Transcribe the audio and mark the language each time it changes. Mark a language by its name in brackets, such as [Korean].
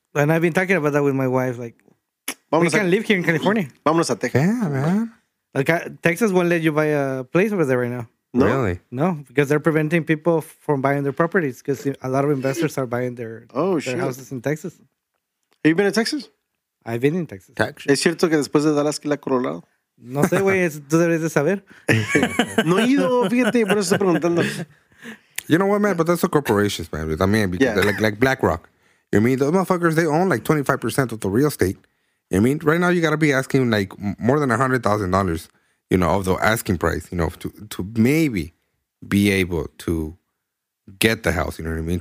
[English] And I've been talking about that with my wife. Like, vámonos, we can't live here in California. [Spanish] Vámonos a Texas. [English] Yeah, man. Okay, Texas won't let you buy a place over there right now. No? Really? No, because they're preventing people from buying their properties because a lot of investors are buying their houses in Texas. Have you been to Texas? I've been in Texas. [Spanish] Es cierto que después de Dallas que la coronado. No sé, güey, tú deberías de saber. No he ido, fíjate, por eso estoy preguntando. [English] You know what, man? But that's the corporations, man. I mean, because they're like BlackRock. You mean those motherfuckers, they own like 25% of the real estate. You mean right now you got to be asking like more than $100,000, you know, of the asking price, you know, to maybe be able to get the house, you know what I mean?